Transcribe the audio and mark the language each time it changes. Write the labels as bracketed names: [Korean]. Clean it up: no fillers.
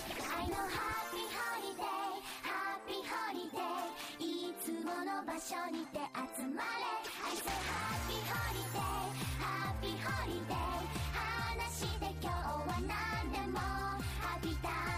[English] I know happy holiday, happy holiday. [Japanese] いつもの場所にて 集まれ. [English] I say happy holiday, happy holiday. [Japanese] 話して今日は何でも [English] happy time.